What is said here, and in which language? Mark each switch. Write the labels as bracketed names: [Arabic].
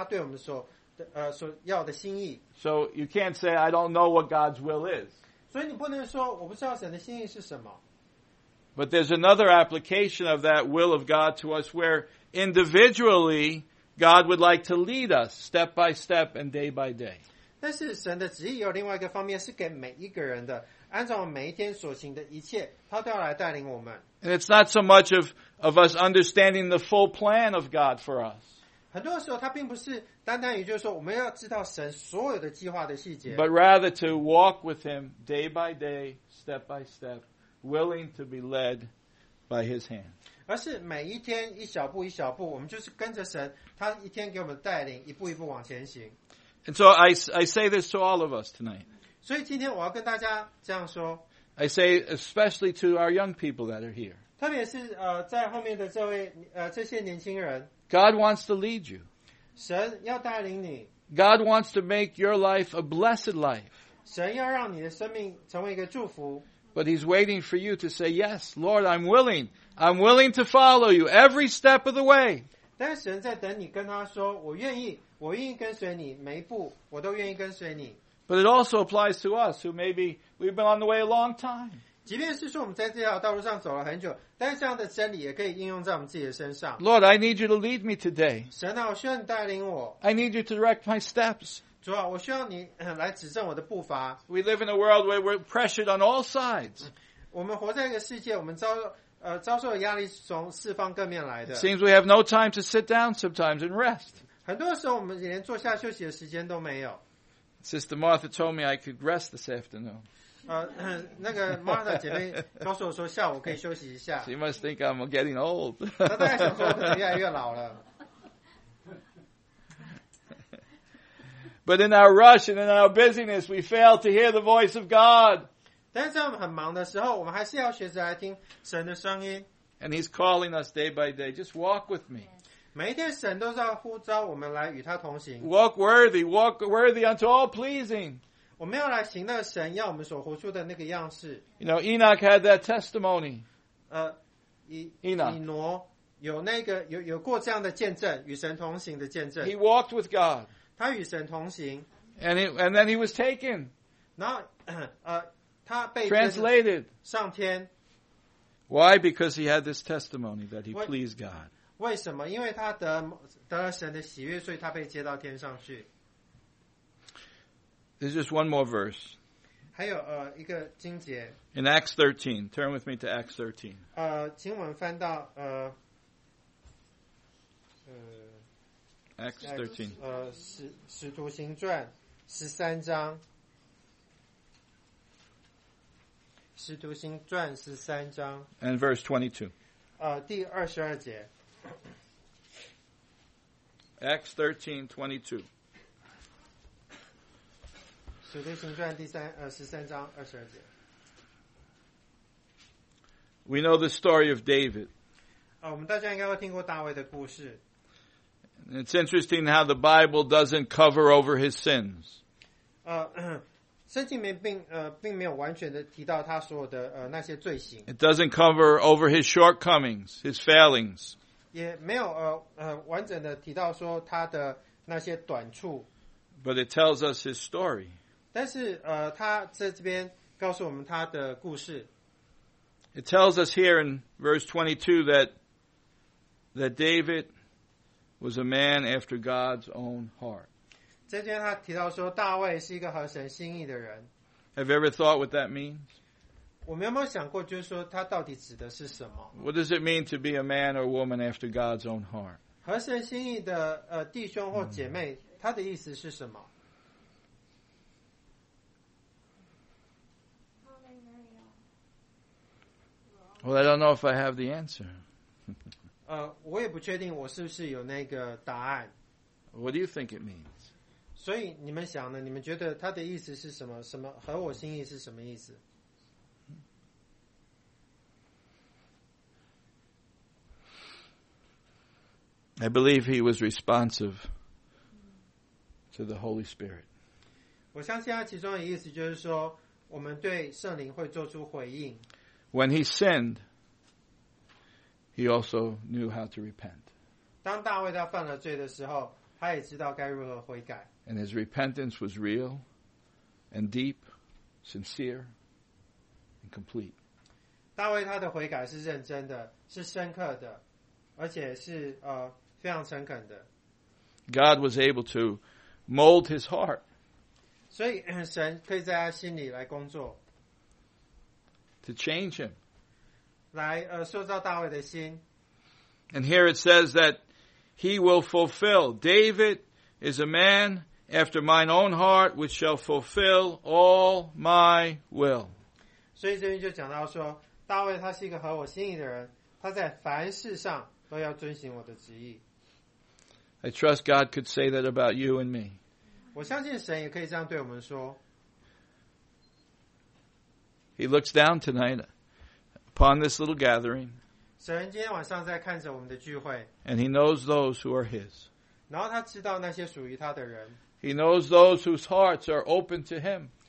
[Chinese] 每一个神的命令也就是他对我们所要的心意。 [English] So you can't say, I don't know what God's will is. [Chinese] 所以你不能说我不知道神的心意是什么。 [English] But there's another application of that will of God to us where individually God would like to lead us step by step and day by day. [Chinese] 但是神的旨意有另外一个方面是给每一个人的。按照我们每一天所行的一切, [English] and it's not so much of us understanding the full plan of God for us. But rather to walk with Him day by day, step by step, willing to be led by his hand. [Chinese] 而是每一天一小步一小步，我们就是跟着神，他一天给我们带领，一步一步往前行。 [English] And so I say this to all of us tonight. [Chinese] 所以今天我要跟大家这样说。 [English] I say especially to our young people that are here. [Chinese] 特别是在后面的这位这些年轻人。 [English] God wants to lead you. [Chinese] 神要带领你。 [English] God wants to make your life a blessed life. [Chinese] 神要让你的生命成为一个祝福。 [English] But he's waiting for you to say, yes, Lord, I'm willing. I'm willing to follow you every step of the way. [Chinese] 但神在等你跟他说，我愿意，我愿意跟随你，每一步我都愿意跟随你。 [English] But it also applies to us who maybe we've been on the way a long time. [Chinese] 即便是说我们在这条道路上走了很久，但是这样的真理也可以应用在我们自己的身上。 [English] Lord, I need you to lead me today. [Chinese] 神啊，我需要你带领我。 [English] I need you to direct my steps. [Chinese] 主啊，我需要你来指正我的步伐。 [English] We live in a world where we're pressured on all sides. [Chinese] 我们活在一个世界，我们遭受的压力是从四方各面来的。 [English] It seems we have no time to sit down sometimes and rest. [Chinese] 很多时候我们连坐下休息的时间都没有。 [English] Sister Martha told me I could rest this afternoon. [Chinese] 那个 Martha 姐妹告诉我说下午可以休息一下。 [English] She must think I'm getting old. [Chinese] 她大概想说我可能越来越老了。 [English] But in our rush and in our busyness, we fail to hear the voice of God. [Chinese] 但是在我们很忙的时候，我们还是要学着来听神的声音。 [English] And He's calling us day by day. Just walk with me. [Chinese] 每一天神都在呼召我们来与他同行。 [English] Walk worthy unto all pleasing. [Chinese] 我们要来行那个神要我们所活出的那个样式。 [English] You know, Enoch had that testimony. Enoch. [Chinese] 以挪有那个有过这样的见证，与神同行的见证。 [English] He walked with God. [Chinese] 他与神同行 [English] and then he was taken. [Chinese] 然后他被 [English] translated [Chinese] 上天。 [English] Why? Because he had this testimony that he pleased God. [Chinese] 为什么？因为他得了神的喜悦，所以他被接到天上去。 [English] There's just one more verse. [Chinese] 还有一个经节。 [English] In Acts 13, turn with me to Acts 13. [Chinese] 请我们翻到 [English] Acts 13. [Chinese] 使徒行传十三章。使徒行传十三章。 [English] And verse 22. [Chinese] 第二十二节。 [English] Acts 13:22. [Chinese] 使徒行传第三十三章二十二节。 [English] We know the story of David. [Chinese] 我们大家应该都听过大卫的故事。 [English] It's interesting how the Bible doesn't cover over his sins. [Chinese] 圣经里面并没有完全的提到他所有的那些罪行。 [English] It doesn't cover over his shortcomings, his failings. [Chinese] 也没有完整的提到说他的那些短处。 [English] But it tells us his story. [Chinese] 但是他在这边告诉我们他的故事。 [English] It tells us here in verse 22 that David was a man after God's own heart. [Chinese] 这边他提到说大卫是一个合神心意的人。 [English] Have you ever thought what that means? [Chinese] 我们有没有想过就是说他到底指的是什么? [English] What does it mean to be a man or woman after God's own heart? [Chinese] 合神心意的弟兄或姐妹他的意思是什么? [English] Well, I don't know if I have the answer. [Chinese] 我也不确定我是不是有那个答案。 [English] What do you think it means? [Chinese] 所以你们想呢？你们觉得他的意思是什么？什么合我心意是什么意思 [English] ？I believe he was responsive to the Holy Spirit. [Chinese] 我相信他其中的意思就是说，我们对圣灵会做出回应。 [English] When he sinned. He also knew how to repent. [Chinese] 当大卫他犯了罪的时候，他也知道该如何悔改。 [English] And his repentance was real, and deep, sincere, and complete. [Chinese] 大卫他的悔改是认真的，是深刻的，而且是非常诚恳的。 [English] God was able to mold his heart. [Chinese] 所以神可以在他心里来工作 [English] ，to change him. [Chinese] 来塑造大卫的心。 [English] And here it says that he will fulfill. David is a man after mine own heart, which shall fulfill all my will. [Chinese] 所以这边就讲到说，大卫他是一个合我心意的人，他在凡事上都要遵行我的旨意。 [English] I trust God could say that about you and me. [Chinese] 我相信神也可以这样对我们说。 [English] He looks down tonight upon this little gathering. [Chinese] 神今天晚上在看着我们的聚会。 [English] And he knows those who are his. [Chinese] 然后他知道那些属于他的人。 [English] He knows those whose hearts are open to him.